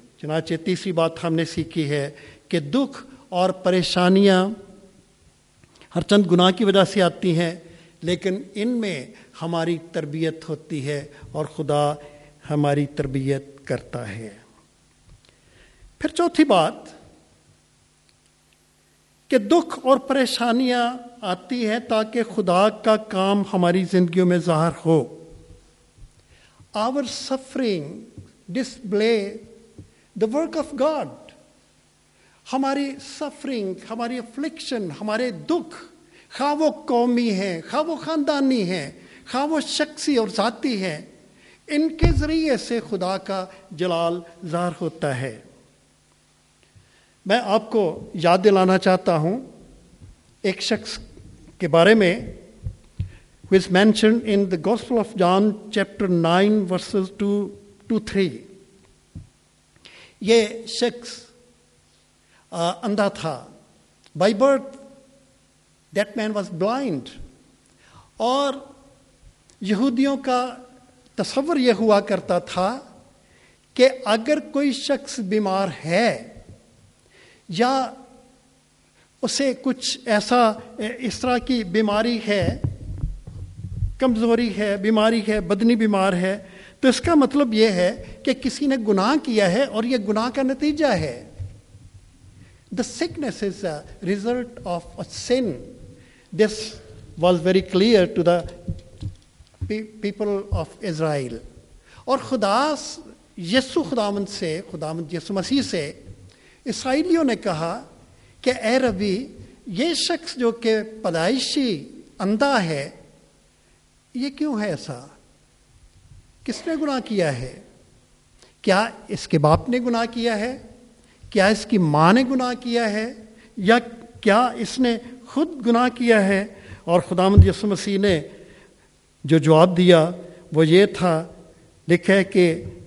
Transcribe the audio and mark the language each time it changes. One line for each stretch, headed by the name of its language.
Urdu: چنانچہ تیسری بات ہم نے سیکھی ہے کہ دکھ اور پریشانیاں ہر چند گناہ کی وجہ سے آتی ہیں, لیکن ان میں ہماری تربیت ہوتی ہے اور خدا ہماری تربیت کرتا ہے. پھر چوتھی بات کہ دکھ اور پریشانیاں آتی ہیں تاکہ خدا کا کام ہماری زندگیوں میں ظاہر ہو.
English: Our suffering display the work of God.
Urdu: ہماری سفرنگ, ہماری افلکشن, ہمارے دکھ, خواہ وہ قومی ہیں, خواہ وہ خاندانی ہیں, خواہ وہ شخصی اور ذاتی ہیں, ان کے ذریعے سے خدا کا جلال ظاہر ہوتا ہے. میں آپ کو یاد دلانا چاہتا ہوں ایک شخص کے بارے میں
English: who is mentioned in the Gospel of John chapter 9 verses 2-3.
Urdu: یہ شخص اندھا تھا.
English: By birth that man was blind.
Urdu: اور یہودیوں کا تصور یہ ہوا کرتا تھا کہ اگر کوئی شخص بیمار ہے یا اسے کچھ ایسا اس طرح کی بیماری ہے, کمزوری ہے, بیماری ہے, بدنی بیمار ہے, تو اس کا مطلب یہ ہے کہ کسی نے گناہ کیا ہے اور یہ گناہ کا نتیجہ ہے.
English: The sickness is a result of a sin. This was very clear to the people of Israel.
Urdu: اور خدا یسوع خداوند سے, خداوند یسوع مسیح سے اسرائیلیوں نے کہا کہ اے ربی, یہ شخص جو کہ پیدائشی اندھا ہے, یہ کیوں ہے ایسا؟ کس نے گناہ کیا ہے؟ کیا اس کے باپ نے گناہ کیا ہے؟ کیا اس کی ماں نے گناہ کیا ہے؟ یا کیا اس نے خود گناہ کیا ہے؟ اور خداوند یسوع مسیح نے جو جواب دیا وہ یہ تھا, لکھا ہے کہ